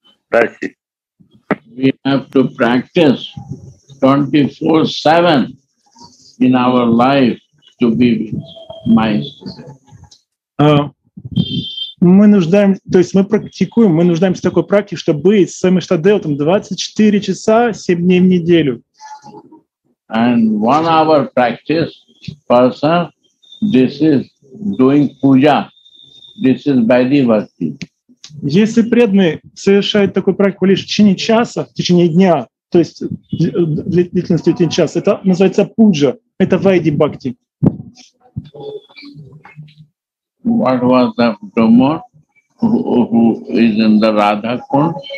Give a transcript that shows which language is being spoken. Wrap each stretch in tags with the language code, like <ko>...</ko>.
<en>We have to practice 24/7 in our life to be my student.</en> <ru>Мы нуждаемся в такой практике, чтобы быть с своим штадеотом 24 часа 7 дней в неделю.</ru> <en>And one hour practice, person, this is doing puja. This is Vaidhi Bhakti.</en> <ru>Если преданный совершает такую практику лишь в течение часа, в течение дня, то есть длительностью в течение часа, это называется пуджа, это Vaidhi Bhakti.</ru> <en>What was the Brahma who is in the Radha Kund?</en>